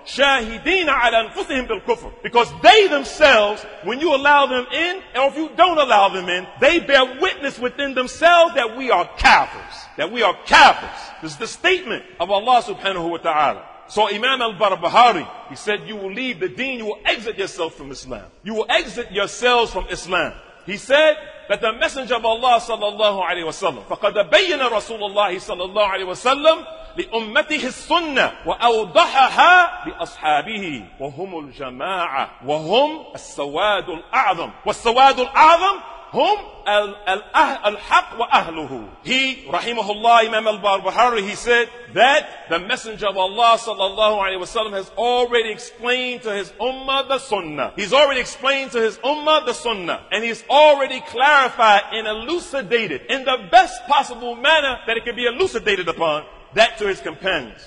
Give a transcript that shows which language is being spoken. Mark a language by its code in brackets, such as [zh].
[ar] Shahideena ala anfusihim bil kufr. [en] Because they themselves, when you allow them in, or if you don't allow them in, they bear witness within themselves that we are kafirs. That we are kafirs. This is the statement of Allah subhanahu wa ta'ala. So Imam al-Barbahari, he said, you will leave the deen, you will exit yourself from Islam. You will exit yourselves from Islam. He said that the Messenger of Allah sallallahu alayhi wa sallam, [ar] فَقَدْ بَيَّنَ رَسُولُ اللَّهِ صَلَّى اللَّهُ عَلَيْهِ وَسَلَّمْ لِأُمَّتِهِ السُّنَّةِ وَأَوْضَحَهَا لِأَصْحَابِهِ وَهُمُ الْجَمَاعَةِ وَهُمْ السَّوَادُ الْأَعْظَمُ وَالسَّوَادُ الْأَعْظَمُ هُمْ الْحَقْ وَأَهْلُهُ. [en] He, rahimahullah, Imam al-Barbahari, he said that the Messenger of Allah sallallahu alayhi wa sallam has already explained to his ummah the sunnah. He's already explained to his ummah the sunnah. And he's already clarified and elucidated in the best possible manner that it can be elucidated upon that to his companions.